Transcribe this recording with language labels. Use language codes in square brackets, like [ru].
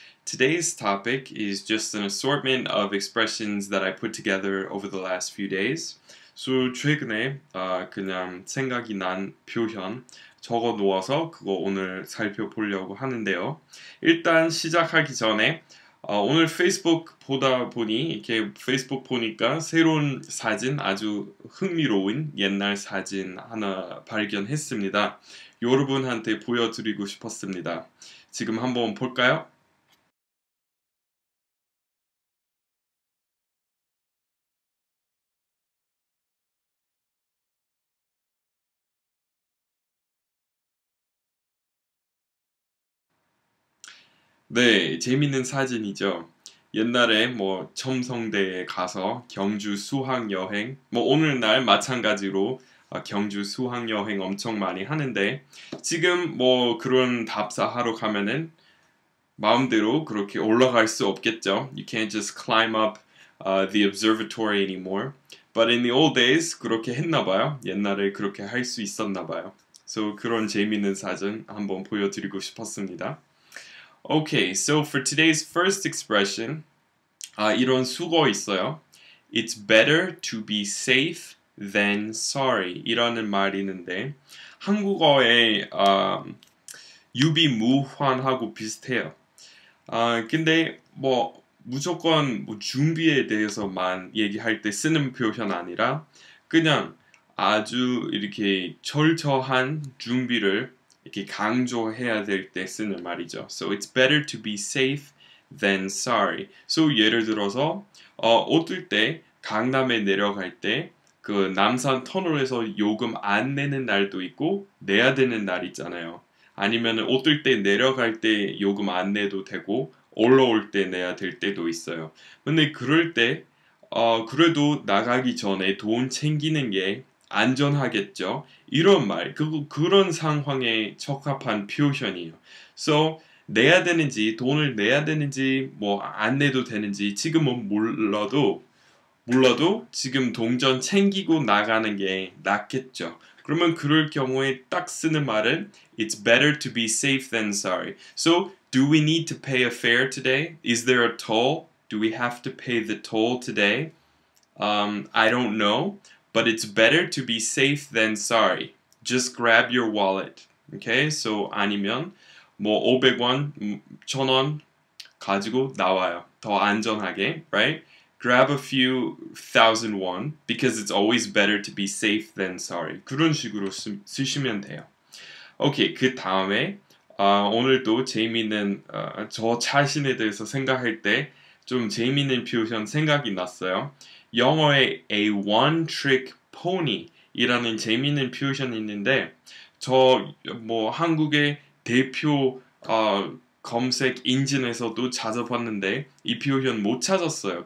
[en] Today's topic is just an assortment of expressions that I put together over the last few days. [ko] So 최근에 그냥 생각이 난 표현 적어 놓아서 그거 오늘 살펴보려고 하는데요. 일단 시작하기 전에 오늘 페이스북 보다 보니, 이렇게 페이스북 보니까 새로운 사진, 아주 흥미로운 옛날 사진 하나 발견했습니다. 여러분한테 보여드리고 싶었습니다. 지금 한번 볼까요? 네, 재밌는 사진이죠. 옛날에 뭐 첨성대에 가서 경주 수학 여행, 뭐 오늘날 마찬가지로 경주 수학 여행 엄청 많이 하는데, 지금 뭐 그런 답사하러 가면은 마음대로 그렇게 올라갈 수 없겠죠. [en] You can't just climb up the observatory anymore. But in the old days [ko] 그렇게 했나 봐요. 옛날에 그렇게 할수 있었나 봐요. So 그런 재밌는 사진 한번 보여드리고 싶었습니다. [en] Okay, so for today's first expression, [ko] 이런 수거 있어요. [en] It's better to be safe than sorry. [ko] 이라는 말이 있는데, 한국어의 유비무환하고 비슷해요. 근데 뭐 무조건 뭐 준비에 대해서만 얘기할 때 쓰는 표현 아니라, 그냥 아주 이렇게 철저한 준비를 이렇게 강조해야 될때 쓰는 말이죠. [en] So it's better to be safe than sorry. [ko] So 예를 들어서 어떨 때 강남에 내려갈 때그 남산 터널에서 요금 안 내는 날도 있고 내야 되는 날 있잖아요. 아니면은 어떨 때 내려갈 때 요금 안 내도 되고 올라올 때 내야 될 때도 있어요. 근데 그럴 때 그래도 나가기 전에 돈 챙기는 게 안전하겠죠? 이런 말, 그런 상황에 적합한 표현이에요. So, 내야 되는지, 돈을 내야 되는지, 뭐, 안 내도 되는지, 지금은 몰라도 지금 동전 챙기고 나가는 게 낫겠죠? 그러면 그럴 경우에 딱 쓰는 말은 [en] It's better to be safe than sorry. So, do we need to pay a fare today? Is there a toll? Do we have to pay the toll today? I don't know. But it's better to be safe than sorry. Just grab your wallet. Okay? [ko] So 아니면 뭐 500원, 1000원 가지고 나와요. 더 안전하게, right? [en] Grab a few thousand won because it's always better to be safe than sorry. [ko] 그런 식으로 쓰시면 돼요. Okay, 그 다음에 오늘도 재미있는 저 자신에 대해서 생각할 때좀 재미있는 표현 생각이 났어요. 영어의 a one trick pony이라는 재미있는 표현이 있는데, 저뭐 한국의 대표 검색 인진에서도 찾아봤는데 이 표현 못 찾았어요.